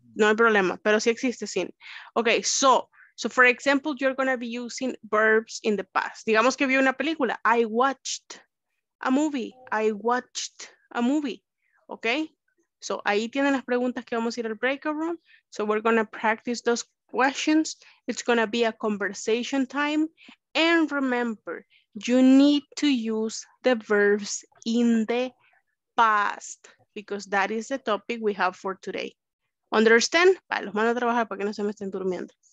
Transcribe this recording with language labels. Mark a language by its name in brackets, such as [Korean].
[Spanish] No hay problema, pero sí existe sin. [English] Okay, so. So, for example, you're going to be using verbs in the past. [Spanish] Digamos que vi una película. [English] I watched a movie. I watched a movie. Okay? [Spanish] So, ahí tienen las preguntas que vamos a ir al breakout room. [English] So, we're going to practice those questions. It's going to be a conversation time. And remember, you need to use the verbs in the past. Because that is the topic we have for today. Understand? [Spanish] Vale, los mando a trabajar para que no se me estén durmiendo.